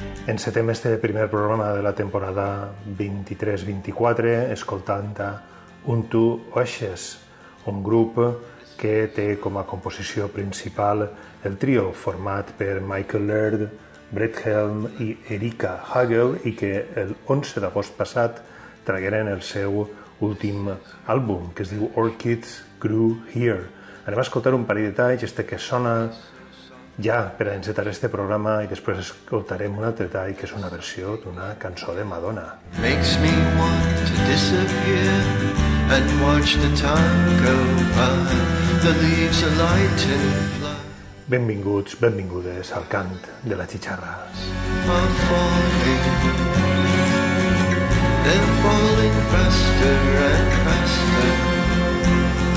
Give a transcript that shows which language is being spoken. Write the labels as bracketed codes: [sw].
[ca] Encetem este primer programa de la temporada 23-24 escoltant a Untu Oixes, un grup que té com a composició principal el trio format per Michael Laird, Brett Helm i Erika Hagel, i que el 11 d'agost passat tragueren el seu últim àlbum, que es diu Orchids Grew Here. Anem a escoltar un parell de talls, este que sona ja per a encetar este programa, i després escoltarem un altre tall que és una versió d'una cançó de Madonna. [en] Makes me want to disappear and watch the time go by. The leaves are light and fly. [ca] Benvinguts, benvingudes al Cant de la Xitxarra. [en] They're falling, they're falling faster and faster.